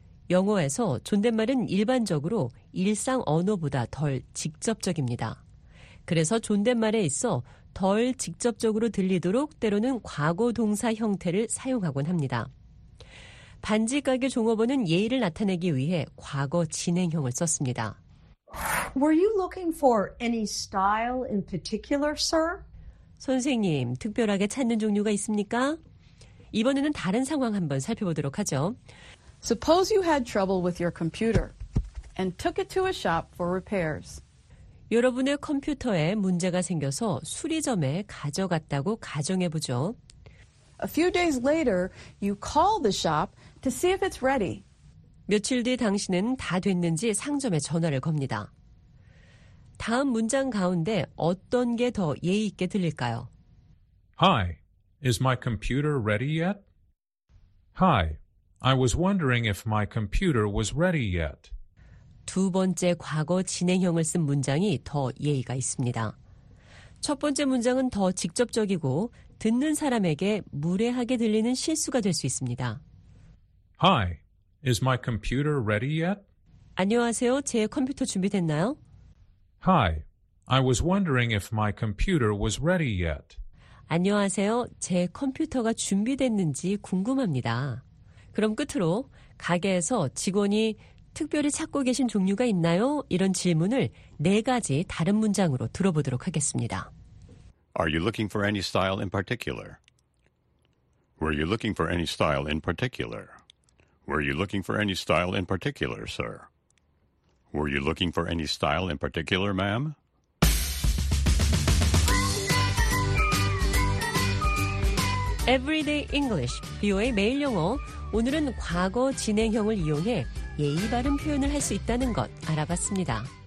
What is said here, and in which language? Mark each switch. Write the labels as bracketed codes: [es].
[ko] 영어에서 존댓말은 일반적으로 일상 언어보다 덜 직접적입니다. 그래서 존댓말에 있어 덜 직접적으로 들리도록 때로는 과거 동사 형태를 사용하곤 합니다. 반지 가게 종업원은 예의를 나타내기 위해 과거 진행형을 썼습니다. [en] Were you looking for any style in particular, sir? [ko] 선생님, 특별하게 찾는 종류가 있습니까? 이번에는 다른 상황 한번 살펴보도록 하죠. [en] Suppose you had trouble with your computer and took it to a shop for repairs. [ko] 여러분의 컴퓨터에 문제가 생겨서 수리점에 가져갔다고 가정해 보죠. [en] A few days later, you call the shop to see if it's ready. [ko] 며칠 뒤 당신은 다 됐는지 상점에 전화를 겁니다. 다음 문장 가운데 어떤 게 더 예의 있게 들릴까요? [en] Hi, is my computer ready yet? Hi, I was wondering if my computer was ready yet. [ko] 두 번째 과거 진행형을 쓴 문장이 더 예의가 있습니다. 첫 번째 문장은 더 직접적이고 듣는 사람에게 무례하게 들리는 실수가 될 수 있습니다. [en] Hi, is my computer ready yet? [ko] 안녕하세요. 제 컴퓨터 준비됐나요? [en] Hi, I was wondering if my computer was ready yet. [ko] 안녕하세요. 제 컴퓨터가 준비됐는지 궁금합니다. 그럼 끝으로 가게에서 직원이 특별히 찾고 계신 종류가 있나요? 이런 질문을 네 가지 다른 문장으로 들어보도록 하겠습니다. [en] Are you looking for any style in particular? Were you looking for any style in particular? Were you looking for any style in particular, sir? Were you looking for any style in particular, ma'am? [ko] 에브리데이 잉글리시, VOA 매일 영어. 오늘은 과거 진행형을 이용해 예의 바른 표현을 할 수 있다는 것 알아봤습니다.